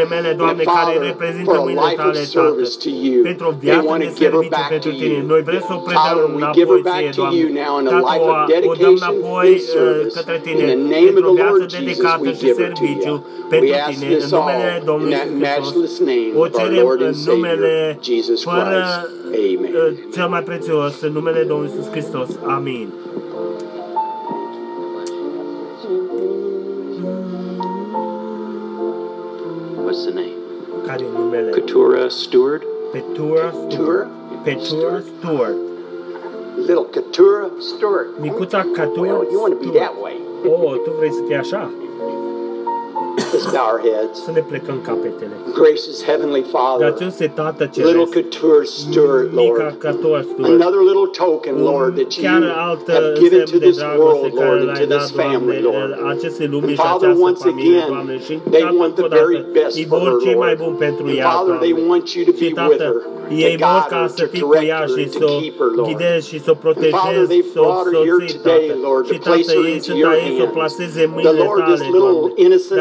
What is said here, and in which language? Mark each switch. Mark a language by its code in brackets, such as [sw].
[en] And Father, for a life of service to you, they want to give her back to you. Father, we give her back to you now in a life of dedication and service. In the name of the Lord Jesus, we give her to you. We ask this all in that matchless name of our Lord and Savior, Jesus Christ. Amen. [ro] Cel mai prețios, în numele Domnului Iisus Hristos. Amin. [en] What's the name? [ro] Care e numele? [en] Keturah Stewart. Keturah Stewart. Little Keturah Stewart. [ro] Micuța Keturah. [en] Well, you want to be that way. [ro] Oh, tu vrei să fii așa? [en] Let's bow our heads. [ro] Să ne plecăm capetele. [en] Gracious Heavenly Father. [ro] Dați-ne Tată Ceresc. [en] Little Keturah Stewart, Lord. Another little token, Lord, that you have given to this world, Lord, and to this family, Lord. And Father, once again, they want the very best for her, Lord. And Father, they want you to be with her. [ro] Ei vor ca să fie cu ea și să o ghideze și să o protejeze, să o soții, Tată. Și Tată, ei sunt aici să o placeze în mâinile Tale, Doamne.